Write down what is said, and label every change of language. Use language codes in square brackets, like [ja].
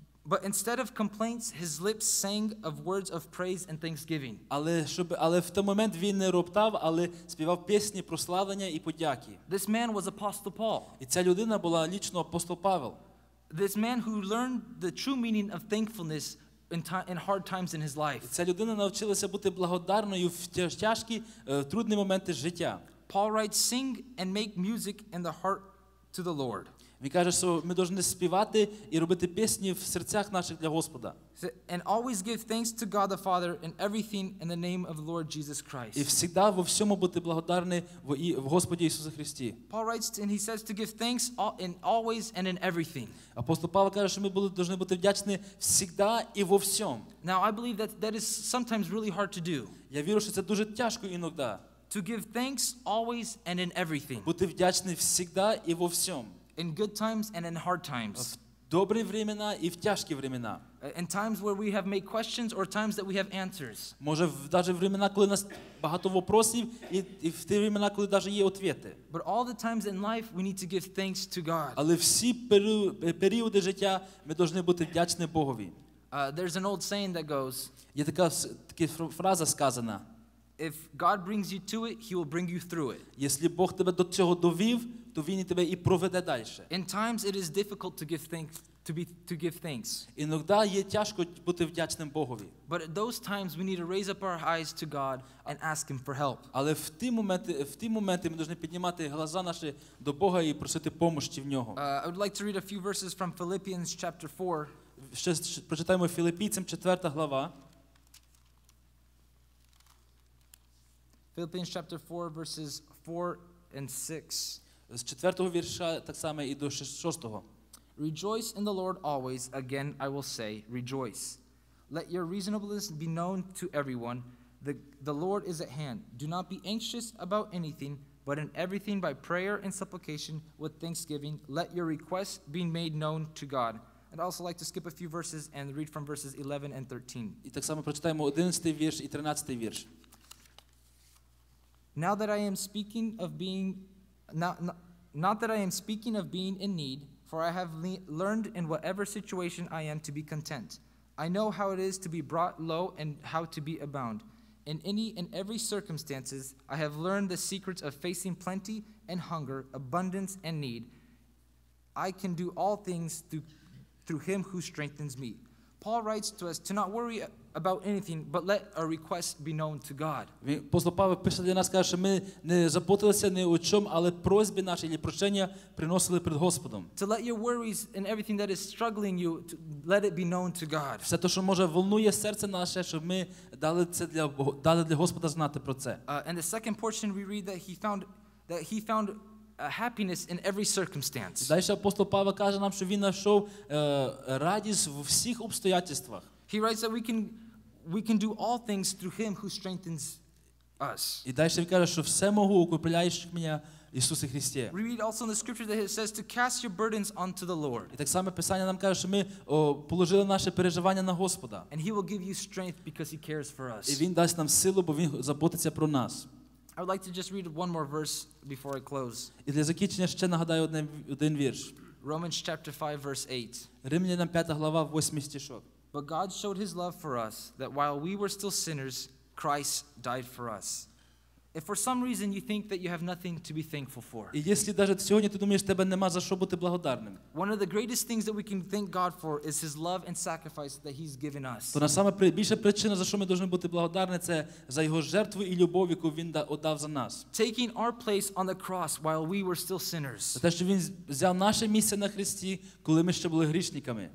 [en] But instead of complaints, his lips sang of words of praise and thanksgiving. [uk] Але в той момент він не роптав, але співав пісні прославлення і подяки. [en] This man was Apostle Paul. [uk] І ця людина була лично апостол Павел. [en] This man who learned the true meaning of thankfulness in hard times in his life. [uk] Ця людина навчилася бути благодарною в тяжкі, трудні моменти життя. [en] Paul writes, "Sing and make music in the heart to the Lord." [uk] Він каже, що ми повинні співати і робити пісні в серцях наших для Господа. [en] And always give thanks to God the Father in everything in the name of the Lord Jesus Christ. [uk] І завжди во всьому бути благодарний в Господі Ісусі Христі. [en] Paul writes and he says to give thanks in always and in everything. [uk] Апостол Павло каже, що ми повинні бути вдячні завжди і во всьому. [en] Now I believe that is sometimes really hard to do. [uk] Я вірю, що це дуже тяжко іноді. [en] To give thanks always and in everything. [uk] Бути вдячним завжди і во всьому. [en] In good times and in hard times. [uk] В добрі времена і в тяжкі времена. [en] In times where we have made questions or times that we have answers. [uk] Може, навіть в времена, коли у нас багато вопросів, і в ті времена, коли навіть є відповіді. [en] But all the times in life we need to give thanks to God. [uk] Але всі періоди життя ми повинні бути вдячні Богові. [en] There's an old saying that goes. [uk] Є така фраза сказана. [en] If God brings you to it, he will bring you through it. [uk] Якщо Бог тебе до цього довів, то він і тебе і проведе далі. [en] In times it is difficult to give thanks to give thanks. [uk] Іноді є тяжко бути вдячним Богові. [en] But at those times we need to raise up our eyes to God and ask him for help. [uk] Але в ті моменти ми повинні піднімати очі наші до Бога і просити допомоги в нього. [en] I would like to read a few verses from Philippians chapter 4. [uk] Ще прочитаємо Філіппійцям 4 глава. [en] Philippians chapter 4, verses 4 and 6. [uk] З 4-го вірша так само і до 6-го. [en] Rejoice in the Lord always. Again, I will say, rejoice. Let your reasonableness be known to everyone. The Lord is at hand. Do not be anxious about anything, but in everything by prayer and supplication with thanksgiving, let your requests be made known to God. I'd also like to skip a few verses and read from verses 11 and 13. [uk] І так само прочитаємо 11-й вірш і 13-й вірш. [en] Now that I am speaking of being not that I am speaking of being in need, for I have learned in whatever situation I am to be content. I know how it is to be brought low and how to be abound. In any and every circumstances, I have learned the secrets of facing plenty and hunger, abundance and need. I can do all things through him who strengthens me. Paul writes to us to not worry about anything, but let our requests be known to God. [uk] Апостол Павло пише для нас, каже, що ми не заботилися ні у чому, але просьби наші і прошення приносили перед Господом. [en] To let your worries and everything that is struggling you, to let it be known to God. [uk] Все те, що може волнує серце наше, щоб ми дали це для Господа знати про це. [en] And the second portion we read that he found happiness in every circumstance. [uk] Далі апостол Павло каже нам, що він знайшов радість в усіх обстоятельствах. [en] He writes that we can do all things through him who strengthens us. [uk] І далі він каже, що все можу, укріпляючи мене Ісусе Христе. [en] We read also in the scripture that it says to cast your burdens onto the Lord. [uk] І так само писання нам каже, що ми положили наші переживання на Господа. [en] And he will give you strength because he cares for us. [uk] І він дасть нам силу, бо він заботиться про нас. [en] I would like to just read one more verse before I close. [uk] І для закінчення ще нагадаю один вірш. [en] Romans chapter 5 verse 8. [uk] Римлянам 5 глава 8 стишок. [en] But God showed his love for us that while we were still sinners, Christ died for us. If for some reason you think that you have nothing to be thankful for, [uk] і якщо навіть сьогодні ти думаєш, тебе нема за що бути благодарним, [en] one of the greatest things that we can thank God for is his love and sacrifice that he's given us. [uk] То найбільша причина, за що ми повинні бути благодарні, це за його жертву і любов, яку він віддав за нас. [en] Taking our place on the cross while we were still sinners. [uk] Те, що він взяв наше місце на хресті, коли ми ще були грішниками.